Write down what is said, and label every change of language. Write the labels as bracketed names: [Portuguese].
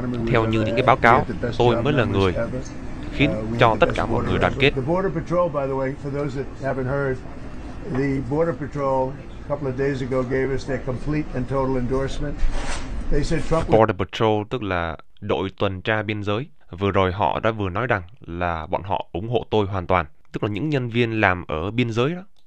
[Vietnamese] Theo như những cái báo cáo, tôi mới là người khiến cho tất cả mọi người đoàn kết. [English] The Border Patrol, by the way, for those that haven't heard, the Border Patrol a couple of days ago gave us their complete and total endorsement. They said Trump [Vietnamese] Border Patrol tức là đội tuần tra biên giới. Vừa rồi họ đã vừa nói rằng là bọn họ ủng hộ tôi hoàn toàn, tức là những nhân viên làm ở biên giới đó.